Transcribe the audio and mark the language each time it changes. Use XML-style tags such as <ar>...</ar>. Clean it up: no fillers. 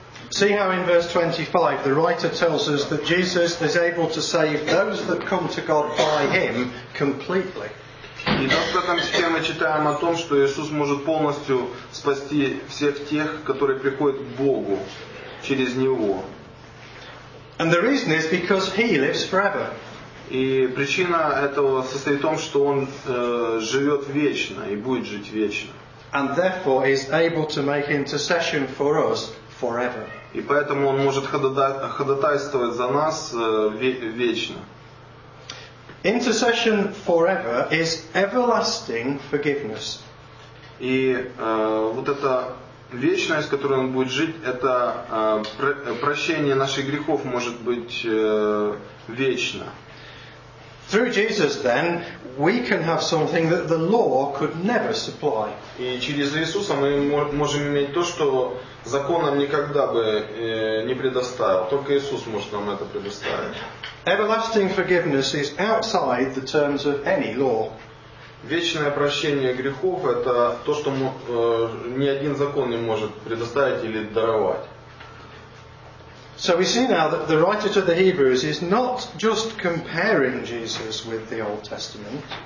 <en>See how in verse 25 the writer tells us that Jesus is able to save those that come to God by him completely.</en> <ru>И в этом стихе мы читаем о том, что Иисус может полностью спасти всех тех, которые приходят к Богу через Него.</ru> <en>And the reason is because He lives forever.</en> <ru>И причина этого состоит в том, что Он живет вечно и будет жить вечно.</ru> <en>And therefore is able to make intercession for us forever.</en> <ru>И поэтому Он может ходатайствовать за нас вечно.</ru> <en>Intercession forever is everlasting forgiveness.</en> <ru>И вот эта вечность, в которой он будет жить, это прощение наших грехов может быть вечно.</ru> <en>Through Jesus, then, we can have something that the law could never supply.</en> <ru>И через Иисуса мы можем иметь то, что закон нам никогда бы не предоставил. Только Иисус может нам это предоставить.</ru> <en>Everlasting forgiveness is outside the terms of any law.</en> <ru>Вечное прощение грехов – это то, что ни один закон не может предоставить или даровать.</ru> <en>So we see now that the writer to the Hebrews is not just comparing Jesus with the Old Testament.</en>